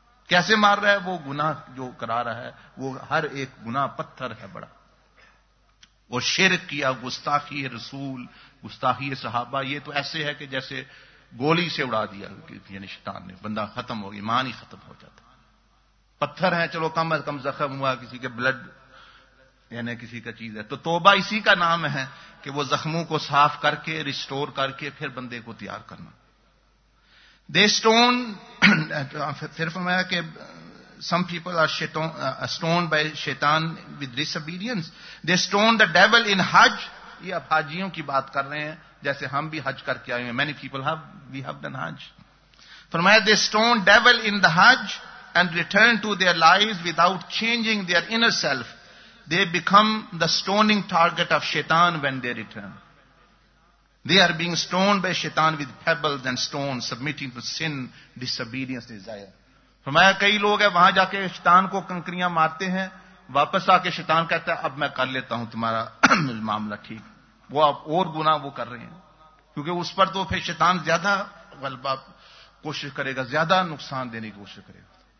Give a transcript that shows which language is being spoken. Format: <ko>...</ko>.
<ur>کیسے مار رہا ہے؟ وہ گناہ جو کرا رہا ہے, وہ ہر ایک گناہ پتھر ہے بڑا, وہ شرک کیا, گستاخی رسول, گستاخی صحابہ, یہ تو ایسے ہے کہ جیسے گولی سے اڑا دیا, یعنی شیطان نے, بندہ ختم ہو گیا, ایمان ہی ختم ہو جاتا. پتھر ہیں چلو کم از کم زخم ہوا, کسی کے بلڈ یعنی کسی کا چیز ہے, تو توبہ اسی کا نام ہے کہ وہ زخموں کو صاف کر کے ریسٹور کر کے پھر بندے کو تیار کرنا.</ur> <en>they stone,</en> <ur>پھر فرمایا کہ</ur> <en>Some people are stoned by شیطان with disobedience, they stone the devil in حج.</en> <ur>یہ اب حاجیوں کی بات کر رہے ہیں, جیسے ہم بھی حج کر کے آئے ہیں,</ur> <en>Many people have we have done حج.</en> <ur>فرمایا</ur> <en>They stone devil in the حج and return to their life without changing their inner self, they become the stoning target of شیطان when they return. They are being stoned by shaitan with pebbles and stones, submitting to sin, disobedience, desire.</en> <ur>فرمایا کئی لوگ ہیں وہاں جا کے شیطان کو کنکریاں مارتے ہیں, واپس آ کے شیطان کہتا ہے اب میں کر لیتا ہوں تمہارا معاملہ ٹھیک, وہ اب اور گناہ وہ کر رہے ہیں, کیونکہ اس پر تو پھر شیطان زیادہ غلبہ کوشش کرے گا, زیادہ نقصان دینے کی کوشش کرے گا.</ur>